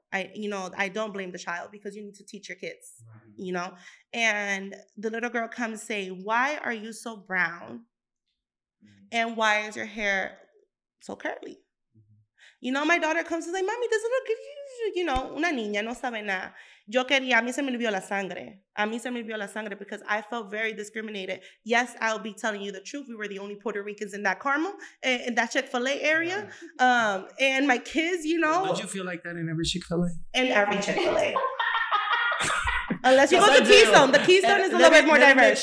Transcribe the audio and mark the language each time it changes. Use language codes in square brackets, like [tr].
[en] I don't blame the child because you need to teach your kids, you know. And the little girl comes say, why are you so brown? And why is your hair so curly? You know, my daughter comes and says, mommy, this little kid, you know, [es] una niña no sabe nada. Yo quería, a mí se me olvidó la sangre. A mí se me olvidó la sangre [en] because I felt very discriminated. Yes, I'll be telling you the truth. We were the only Puerto Ricans in that Carmel, in that Chick-fil-A area. And my kids, you know. Would you feel like that in every Chick-fil-A? In every Chick-fil-A. Unless you go to Keystone. The Keystone is a little bit more diverse.